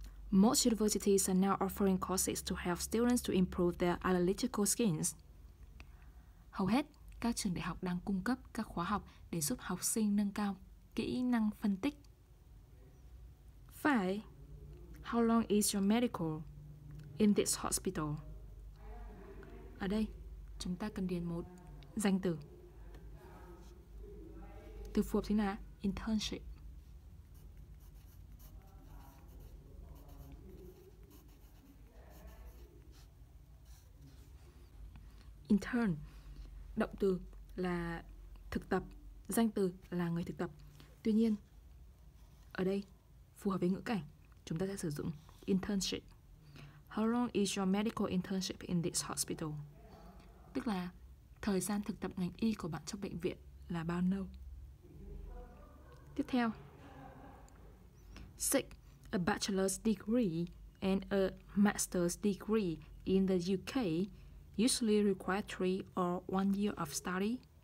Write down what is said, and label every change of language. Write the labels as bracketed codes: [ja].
[en] Most universities are now offering courses to help students to improve their analytical skills. [vi] Hầu hết các trường đại học đang cung cấp các khóa học để giúp học sinh nâng cao kỹ năng phân tích. 5. [en] How long is your medical in this hospital? [vi] Ở đây, chúng ta cần điền một danh từ. Từ phù hợp chính là internship. Intern, động từ là thực tập, danh từ là người thực tập. Tuy nhiên, ở đây, phù hợp với ngữ cảnh, chúng ta sẽ sử dụng internship. [en] How long is your medical internship in this hospital? [vi] Tức là, thời gian thực tập ngành y của bạn trong bệnh viện là bao lâu? Tiếp theo. 6. [en] A bachelor's degree and a master's degree in the UK usually require 3 or 1 year of study.